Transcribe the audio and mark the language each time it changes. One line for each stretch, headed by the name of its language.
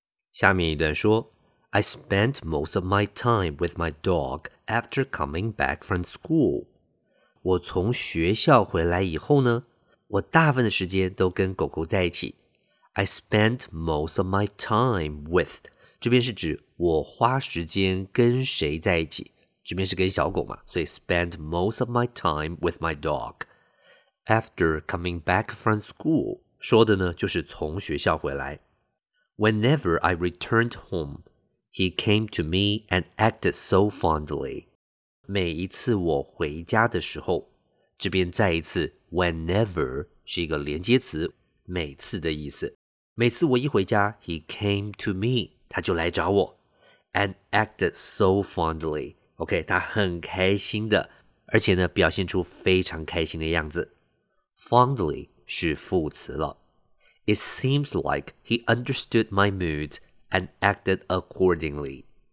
Chinese: 下面一段说
English: ，I spent most of my time with my dog after coming back from school。
Chinese: 我从学校回来以后呢，我大部分的时间都跟狗狗在一起。
English: I spent most of my time with，
Chinese: 这边是指我花时间跟谁在一起，这边是跟小狗嘛，所以
English: spent most of my time with my dog。 After coming back from school,
Chinese: 说的呢就是从学校回来。
English: Whenever I returned home, He came to me and acted so fondly.
Chinese: 每一次我回家的时候，这边再一次 whenever 是一个连接词，每次的意思。每次我一回家 ，
English: he came to me，
Chinese: 他就来找我
English: ，and acted so fondly。
Chinese: OK， 他很开心的，而且呢，表现出非常开心的样子。 Fondly 是副词了。
English: It seems like he understood my moods and acted accordingly.